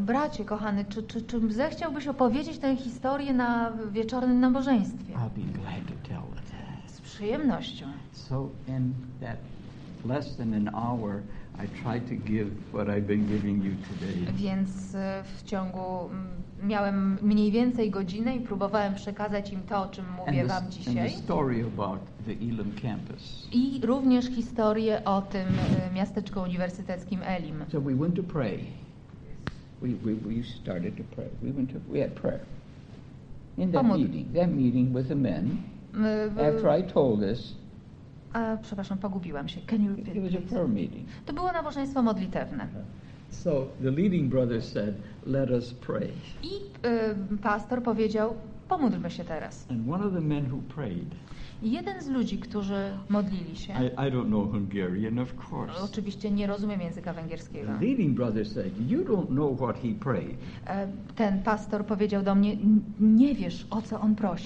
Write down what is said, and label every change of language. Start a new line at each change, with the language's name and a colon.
Polish: Bracie, kochany, czy zechciałbyś opowiedzieć tę historię na wieczornym nabożeństwie?
English: I'll be glad to tell it.
Polish: Z przyjemnością.
English: So in that less than an hour, I tried to give what I've been giving you today.
Polish: Więc w ciągu miałem mniej więcej godzinę i próbowałem przekazać im to, o czym mówię wam dzisiaj.
English: And the story about the Elim campus.
Polish: I również historię o tym miasteczku uniwersyteckim Elim.
English: So we went to pray. We started to pray. We had prayer. In that meeting. That meeting with the men. After I told this.
Polish: Przepraszam, pogubiłam się.
English: Can you repeat? It was a prayer meeting.
Polish: To było nabożeństwo modlitewne.
English: So the leading brother said, "Let us pray."
Polish: I pastor powiedział, pomódlmy się teraz.
English: And one of the men who prayed.
Polish: Jeden z ludzi, którzy modlili się.
English: I don't know Hungarian, of course.
Polish: Oczywiście nie rozumiem języka węgierskiego.
English: The leading brother said, "You don't know what he prayed."
Polish: Ten pastor powiedział do mnie, nie wiesz, o co on prosi.